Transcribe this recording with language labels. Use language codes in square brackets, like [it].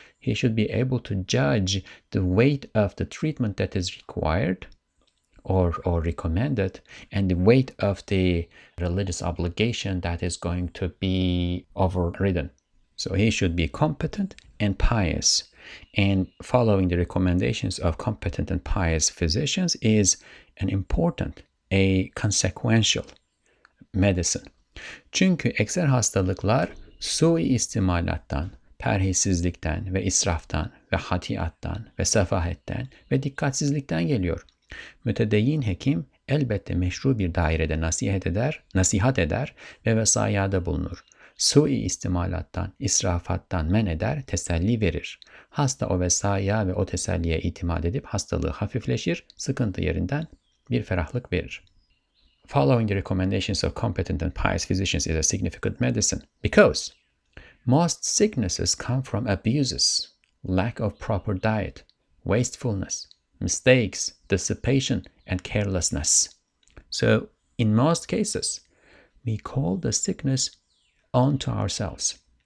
[en] He should be able to judge the weight of the treatment that is required or recommended and the weight of the religious obligation that is going to be overridden. So he should be competent and pious. And following the recommendations of competent and pious physicians is an important, a consequential medicine. [tr] Çünkü ekser hastalıklar sui istimalattan, perhissizlikten ve israftan ve hatiattan ve sefahetten ve dikkatsizlikten geliyor. Mütedeyyin hekim elbette meşru bir dairede nasihat eder ve vesayada bulunur. Sui istimalattan, israfattan men eder, teselli verir. Hasta o vesaya ve o teselliye itimat edip hastalığı hafifleşir, sıkıntı yerinden bir ferahlık verir. [en] Following the recommendations of competent and pious physicians is a significant medicine because most sicknesses come from abuses, lack of proper diet, wastefulness, mistakes, dissipation, and carelessness. So in most cases, we call the sickness onto ourselves.